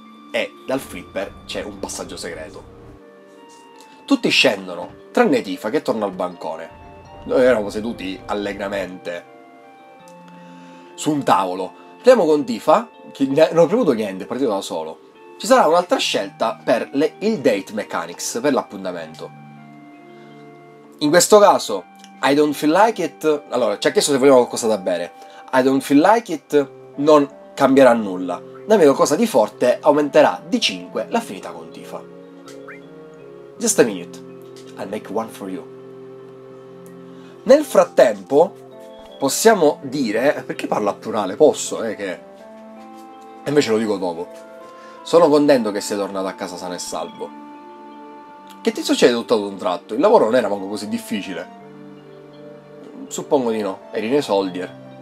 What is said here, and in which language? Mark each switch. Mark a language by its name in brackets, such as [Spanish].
[Italian] E dal flipper c'è un passaggio segreto. Tutti scendono, tranne Tifa che torna al bancone. Noi eravamo seduti allegramente su un tavolo. Parliamo con Tifa, non ho premuto niente, è partito da solo. Ci sarà un'altra scelta per il date mechanics, per l'appuntamento. In questo caso, [English] I don't feel like it. [Italian] Allora, ci ha chiesto se vogliamo qualcosa da bere. [English] I don't feel like it [Italian] non cambierà nulla. Dammi qualcosa di forte, aumenterà di 5 l'affinità con Tifa. [English] Just a minute, I'll make one for you. [Italian] Nel frattempo, possiamo dire... Perché parlo a plurale? Posso, che... E invece lo dico dopo. Sono contento che sei tornato a casa sano e salvo. Che ti succede tutto ad un tratto? Il lavoro non era manco così difficile. Suppongo di no. Eri nei soldier.